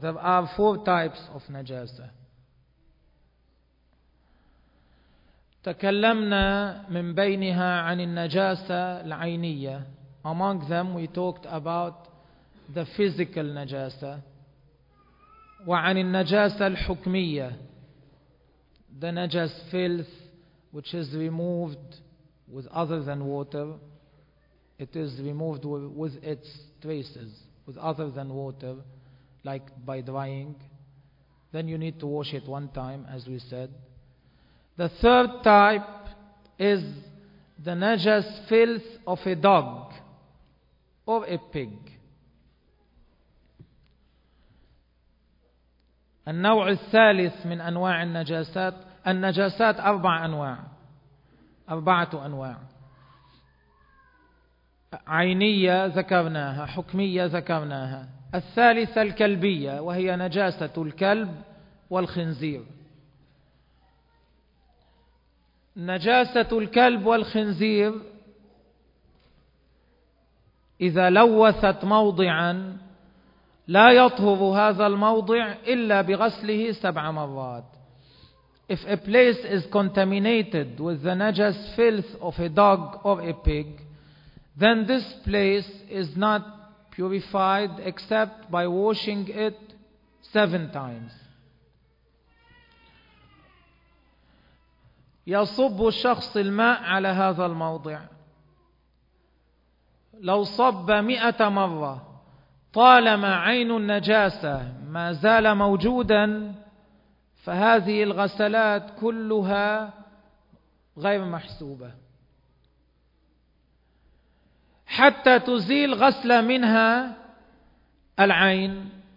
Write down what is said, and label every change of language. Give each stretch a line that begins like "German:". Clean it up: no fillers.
English: There are four types of نجاسة.
Arabic: تكلمنا من بينها عن النجاسة العينية.
English: Among them we talked about the physical نجاسة.
Arabic: وعن النجاسة الحكمية.
English: The najas filth which is removed with other than water. It is removed with its traces. With other than water, like by drying. Then you need to wash it one time, as we said. The third type is the najas filth of a dog or a pig.
Arabic: النوع الثالث من أنواع النجاسات النجاسات أربع أنواع أربعة أنواع عينية ذكرناها حكمية ذكرناها الثالثة الكلبية وهي نجاسة الكلب والخنزير نجاسة الكلب والخنزير إذا لوثت موضعا لا يطهر هذا الموضع إلا بغسله سبع مرات.
English: If a place is contaminated with the najas filth of a dog or a pig, then this place is not purified except by washing it seven times.
Arabic: يصب الشخص الماء على هذا الموضع. لو صب مئة مرة طالما عين النجاسة ما زال موجودا فهذه الغسلات كلها غير محسوبة حتى تزيل غسلة منها العين